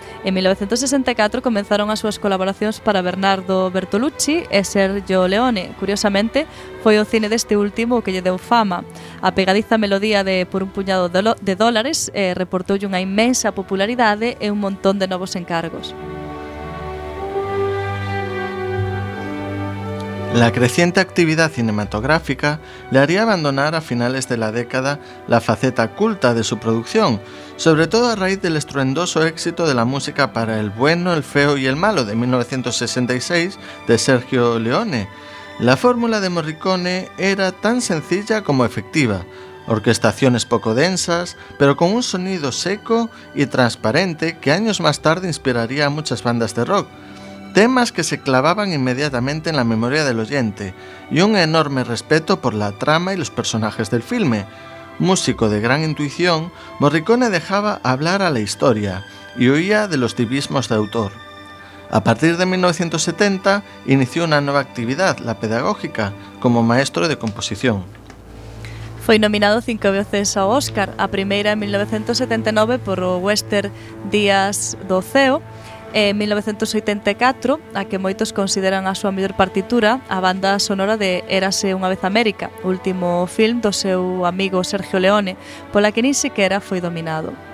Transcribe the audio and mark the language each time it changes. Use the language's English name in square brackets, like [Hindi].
[Galician] En 1964 comenzaron as súas colaboracións para Bernardo Bertolucci e Sergio Leone. Curiosamente, foi o cine deste último o que lle deu fama. A pegadiza melodía de Por un puñado de dólares reportou unha inmensa popularidade e un montón de novos encargos. [Spanish] La creciente actividad cinematográfica le haría abandonar a finales de la década la faceta culta de su producción, sobre todo a raíz del estruendoso éxito de la música para El bueno, el feo y el malo de 1966 de Sergio Leone. La fórmula de Morricone era tan sencilla como efectiva: orquestaciones poco densas, pero con un sonido seco y transparente que años más tarde inspiraría a muchas bandas de rock. Temas que se clavaban inmediatamente en la memoria del oyente y un enorme respeto por la trama y los personajes del filme. Músico de gran intuición, Morricone dejaba hablar a la historia y huía de los divismos de autor. A partir de 1970 inició una nueva actividad, la pedagógica, como maestro de composición. [Galician] Foi nominado 5 veces ao Oscar, a primeira en 1979 por o western Días do Ceo, en 1984, a que moitos consideran a súa mellor partitura, a banda sonora de Érase unha vez América, último film do seu amigo Sergio Leone, pola que nin sequera foi dominado.